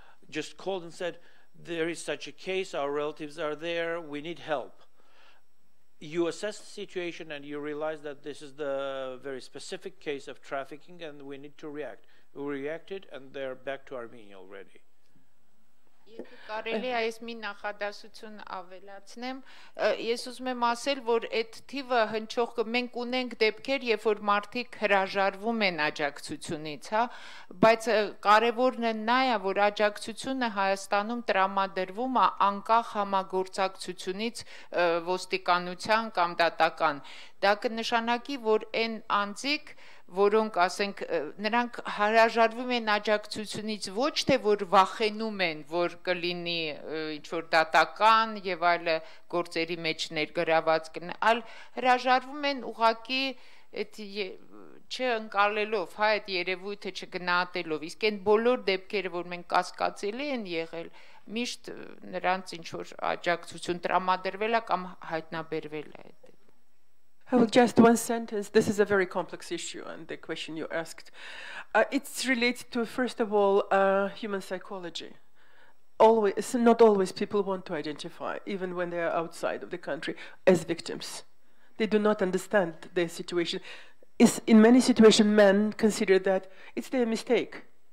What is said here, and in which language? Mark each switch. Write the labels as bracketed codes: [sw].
[en] Just called and said, there is such a case, our relatives are there, we need help. You assess the situation and you realize that this is the very specific case of trafficking and we need to react. We reacted and they're back to Armenia already. [hy] Կարելի է այս մի նախադասություն ավելացնեմ։ Ես ուզում եմ ասել, որ այդ թիվը հնչողը մենք ունենք դեպքեր, երբ որ մարդիկ հրաժարվում են աջակցությունից, հա, բայց կարևորն է նաև, որ աջակցությունը Հայաստանում տրամադրվում է անկախ համագործակցությունից, ոստիկանության կամ դատական։ Դա կնշանակի, որ այն անձիկ, որոնք ասենք նրանք հարաժարվում են աջակցությունից ոչ թե որ վախենում են որ կլինի ինչ որ դատական եւ այլ գործերի մեջ ներգրաված կնա, այլ հրաժարվում են ուղակի այդ չընկալելով, հա, այդ երևույթը չգնահատելով, իսկ այն բոլոր դեպքերը, որ մենք կասկածելի են եղել, միշտ նրանց ինչ որ աջակցություն տրամադրվել է կամ հայտնաբերվել է։ [en] Well, just one sentence. This is a very complex issue, and the question you asked. It's related to, first of all, human psychology. always, not always people want to identify, even when they are outside of the country, as victims. They do not understand their situation. It's in many situations, men consider that it's their mistake.